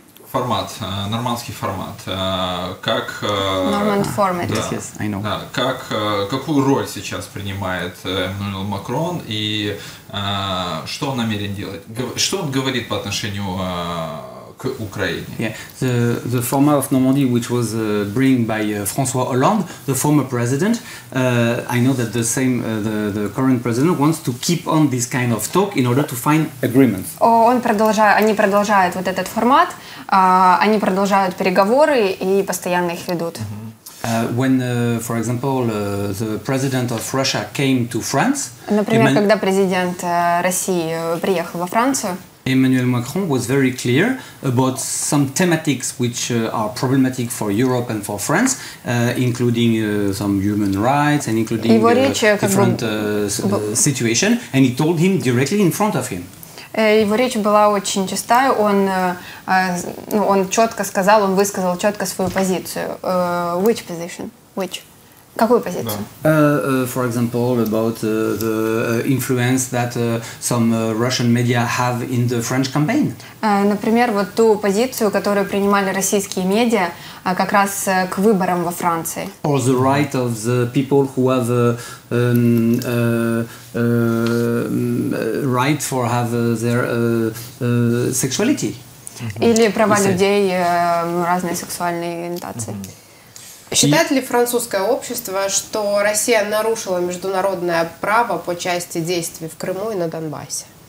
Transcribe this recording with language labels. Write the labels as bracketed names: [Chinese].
[Russian] формат нормандский формат как [English] Normand format yes, yes, I know. [Russian] Да, как какую роль сейчас принимает Эммануэль Макрон и что он намерен делать? Что он говорит по отношению к Украине? [English] Yeah, the format of Normandy, which was bring by François Hollande, the former president. I know that the same the current president wants to keep on this kind of talk in order to find agreements. [Russian] Он продолжает, они продолжают вот этот формат, они продолжают переговоры и постоянно их ведут. [English] When, for example, the president of Russia came to France. [Russian] Например, когда президент России приехал во Францию. [English] Emmanuel Macron was very clear about some thematics which are problematic for Europe and for France, including some human rights and including different situation. And he told him directly in front of him. [Russian] Его речь была очень чистая, он четко сказал, он высказал четко свою позицию. [English] Which position? Which? [Russian] Какую позицию? [English] No. For example, about the influence that some Russian media have in the French campaign. [Russian] Например, вот ту позицию, которую принимали российские медиа как раз к выборам во Франции. [English] Or the right of the people who have right for have their sexuality. [Russian] Или права людей разной сексуальной ориентации. Считает ли французское общество, что Россия нарушила международное право по части действий в Крыму и на Донбассе?